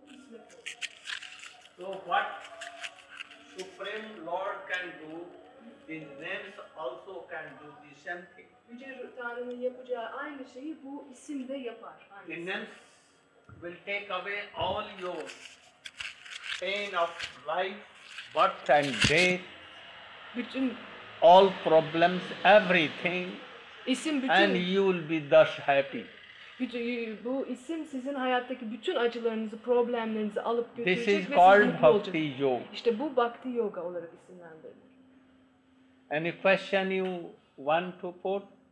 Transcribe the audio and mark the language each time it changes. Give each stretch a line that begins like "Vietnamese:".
English: So what Supreme Lord can do, the names also can do the same thing.
Turkish: Yüce Tanrı'nın yapacağı aynı şeyi bu isim de yapar.
English: The names will take away all your pain of life, birth and death,
Turkish: bütün
English: all problems, everything,
Turkish: isim bütün,
English: and you will be thus happy.
Turkish: Bu isim sizin hayattaki bütün acılarınızı, problemlerinizi alıp götürecek.
English: This is called Bhakti Yoga.
Turkish: İşte bu Bhakti Yoga olarak isimlendirilir.
English: Any question you want to put?